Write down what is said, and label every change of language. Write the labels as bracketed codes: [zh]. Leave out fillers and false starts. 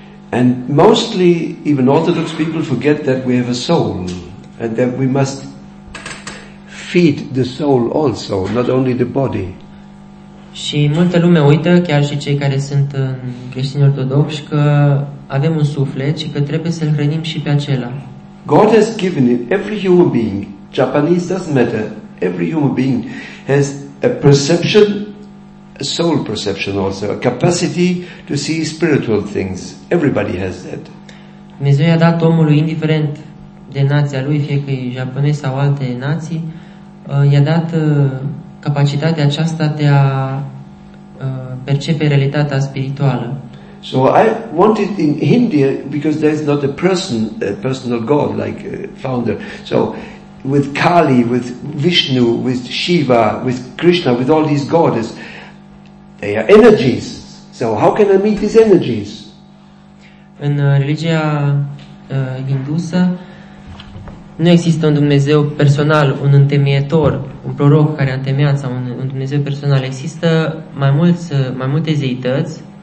[en] And mostly even Orthodox people forget that we have a soul and that we must feed the soul also, not only the body. [ro] Și multă lume uită, chiar și cei care sunt creștini ortodoxi, că avem un suflet și că trebuie să-l hrănim și pe acela. [en] God has given it, every human being, Japanese doesn't matter, every human being has a perception, a soul perception also, a capacity to see spiritual things. Everybody has that. [ro] Dumnezeu i-a dat omului, indiferent de nația lui, fie că e japonez sau alte nații, i-a dat capacitatea aceasta de a percepe realitatea spirituală. [en] So I wanted in India, because there's not a person, a personal God like a founder. So with Kali, with Vishnu, with Shiva, with Krishna, with all these goddesses, they are energies. So how can I meet these energies? [ro] În religia hindusă nu există un Dumnezeu personal, un întemeietor, un proroc care a întemeiat sau un Dumnezeu personal. Există mai multe zeități.